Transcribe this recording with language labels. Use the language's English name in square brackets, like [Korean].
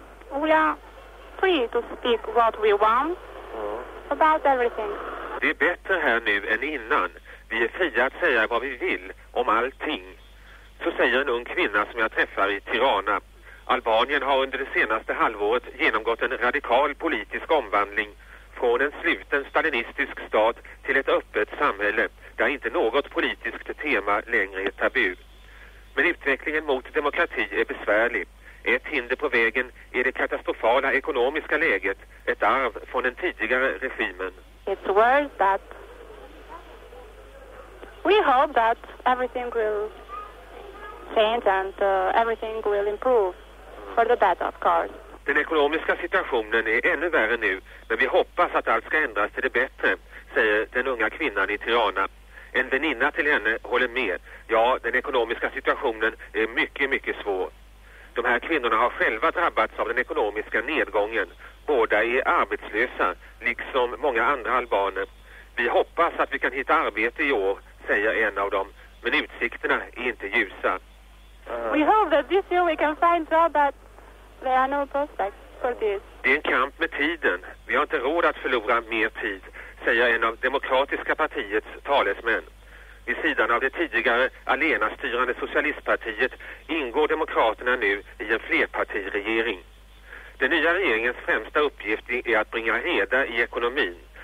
[English] We are free to speak what we want. [Swedish] Det är bättre här nu än innan. Vi är fria att säga vad vi vill om allting. Så säger en ung kvinna som jag träffar i Tirana. Albanien har under det senaste halvåret genomgått en radikal politisk omvandling från en sluten stalinistisk stat till ett öppet samhälle där inte något politiskt tema längre är tabu. Men utvecklingen mot demokrati är besvärlig. Ett hinder på vägen är det katastrofala ekonomiska läget, ett arv från den tidigare regimen. [English] It's worse that we hope that everything will change and everything will improve for the better, of course. [Swedish] Den ekonomiska situationen är ännu värre nu, men vi hoppas att allt ska ändras till det bättre, säger den unga kvinnan i Tirana. En väninna till henne håller med. Ja, den ekonomiska situationen är mycket, mycket svår. De här kvinnorna har själva drabbats av den ekonomiska nedgången. Båda är arbetslösa, liksom många andra albaner. Vi hoppas att vi kan hitta arbete i år, säger en av dem. Men utsikterna är inte ljusa. [English] We hope that this year we can find job, but there are no prospects for this. [Swedish] Det är en kamp med tiden. Vi har inte råd att förlora mer tid, säger en av Demokratiska partiets talesmän. I sidan av det tidigare alena styrande socialistpartiet ingår demokraterna nu i en flerpartiregering. Den nya regeringens främsta uppgift är att bringa reda i ekonomin.